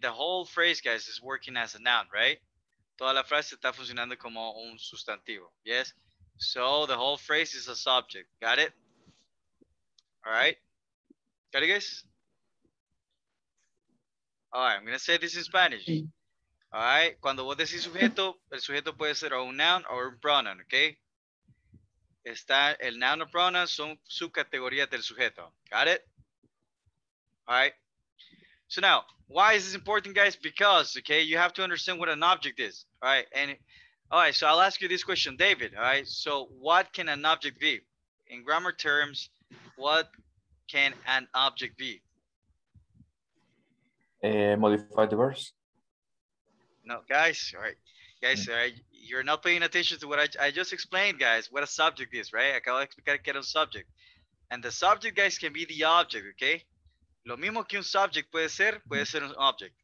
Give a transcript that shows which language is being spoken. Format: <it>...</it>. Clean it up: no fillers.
<en>The whole phrase, guys, is working as a noun, right?</en> <es>Toda la frase está funcionando como un sustantivo,</es> <en>yes? So the whole phrase is a subject, got it? All right, got it, guys? All right, I'm gonna say this in Spanish. All right,</en> <es>cuando vos decís sujeto, el sujeto puede ser un noun</es> <en>or a pronoun, okay?</en> <es>Está el noun o pronoun son subcategorías del sujeto,</es> <en>got it? All right, so now, why is this important, guys? Because, okay, you have to understand what an object is, all right? And, all right, so I'll ask you this question, David, all right? So what can an object be? In grammar terms, what can an object be? Modified verbs. No, guys, all right. Guys, all right, you're not paying attention to what I just explained, guys, what a subject is, right?</en> <es>Acabo de explicar que era un</es> <en>subject. And the subject, guys, can be the object, okay?</en> <es>Lo mismo que un subject puede ser un object.</es>